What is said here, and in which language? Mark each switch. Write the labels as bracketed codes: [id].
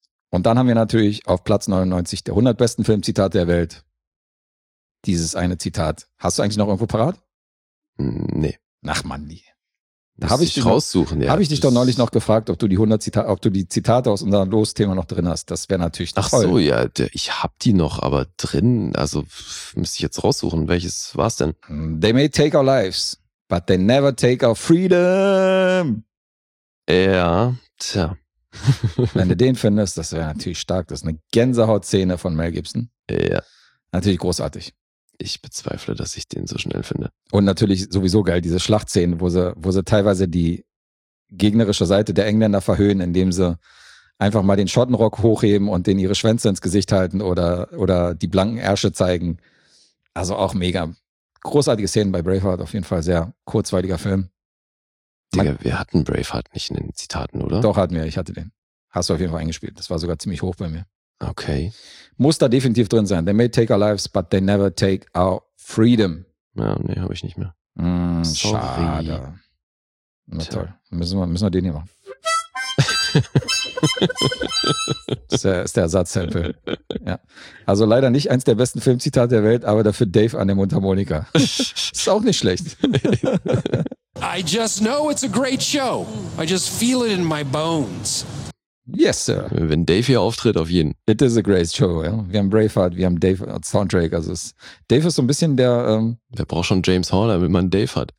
[de] Und dann haben wir natürlich auf Platz 99 der 100 besten Filmzitate der Welt dieses eine Zitat. Hast du eigentlich noch irgendwo parat? Nee. Ach Mann, nee. Da habe ich dich raussuchen, noch, ja. Habe ich dich doch neulich noch gefragt, ob du die 100 Zitate, ob du die Zitate aus unserem Losthema noch drin hast. Das wäre natürlich toll. Ach so, ja, ich habe die noch, aber drin, also müsste ich jetzt raussuchen, welches war's denn? [en] They may take our lives, but they never take our freedom. [de] Ja, tja. Wenn du den findest, das wäre natürlich stark. Das ist eine Gänsehautszene von Mel Gibson. Ja. Natürlich großartig. Ich bezweifle, dass ich den so schnell finde. Und natürlich sowieso geil, diese Schlachtszenen, wo sie teilweise die gegnerische Seite der Engländer verhöhnen, indem sie einfach mal den Schottenrock hochheben und denen ihre Schwänze ins Gesicht halten oder die blanken Ärsche zeigen. Also auch mega. Großartige Szenen bei Braveheart, auf jeden Fall sehr kurzweiliger Film. Digga, wir hatten Braveheart nicht in den Zitaten, oder? Doch, hatten wir, ich hatte den. Hast du auf jeden Fall eingespielt. Das war sogar ziemlich hoch bei mir. Okay. Muss da definitiv drin sein. [en] They may take our lives, but they never take our freedom. [de] Ja, nee, habe ich nicht mehr. Schade. Na toll. Müssen wir den hier machen. ist der Ersatz-Sample. Ja. Also leider nicht eins der besten Filmzitate der Welt, aber dafür Dave an der Mundharmonika. Ist auch nicht schlecht. [en] I just know it's a great show. I just feel it in my bones. Yes, sir. [de] Wenn Dave hier auftritt, auf jeden. [en] It is a great show, ja. [de] Wir haben Braveheart, wir haben Dave als Soundtrack. Also Dave ist so ein bisschen der... Wer braucht schon James Horner, wenn man Dave hat?